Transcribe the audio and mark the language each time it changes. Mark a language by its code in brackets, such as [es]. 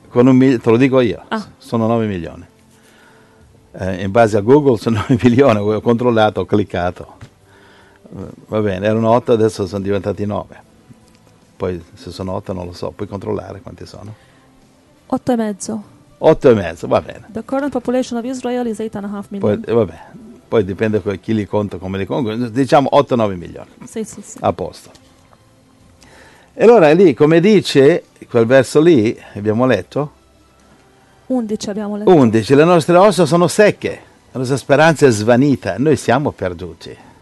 [it] Te lo dico io, sono 9 milioni. In base a Google sono 9 milioni, ho controllato, ho cliccato. Va bene, erano 8, adesso sono diventati 9. Poi se sono 8 non lo so, puoi controllare quanti sono. 8,5. 8,5, va bene. [en] The current population of Israel is 8.5 million. [it] Poi, va bene. Poi dipende da chi li conta, come li conta, diciamo 8-9 milioni. Sì, sì, sì. A posto. E allora lì, come dice quel verso lì, abbiamo letto? 11 abbiamo letto. 11, le nostre ossa sono secche, la nostra speranza è svanita, noi siamo perduti.